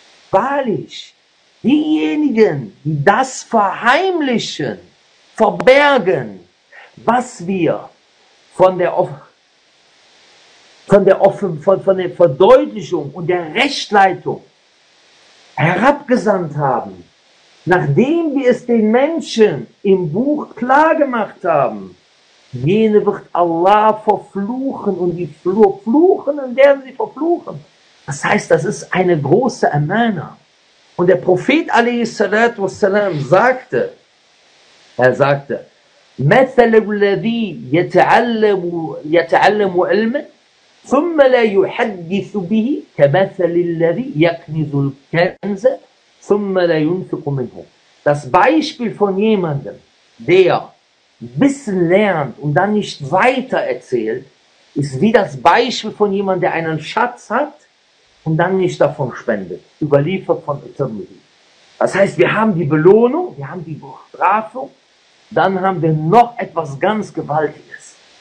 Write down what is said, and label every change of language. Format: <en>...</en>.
<de>Wahrlich, diejenigen, die das verheimlichen, verbergen, was wir von der Verdeutlichung und der Rechtleitung herabgesandt haben, nachdem wir es den Menschen im Buch klar gemacht haben, jene wird Allah verfluchen und die verfluchen, und werden sie verfluchen. Das heißt, das ist eine große Amana. Und der Prophet a.s.w. sagte, er sagte,</de> <ar>مَثَلُ الَّذِي يَتَعَلَّمُ عِلْمًا ثُمَّ لَا يُحَدِّثُ بِهِ كَمَثَلِ الَّذِي يَكْنِزُ الْكَنْزَ ثُمَّ لَا يُنْفِقُ مِنْهُ.</ar> <de>Das Beispiel von jemandem, der Wissen lernt und dann nicht weiter erzählt, ist wie das Beispiel von jemandem, der einen Schatz hat und dann nicht davon spendet, überliefert von Tirmidhi. Das heißt, wir haben die Belohnung, wir haben die Bestrafung, dann haben wir noch etwas ganz Gewaltiges.</de>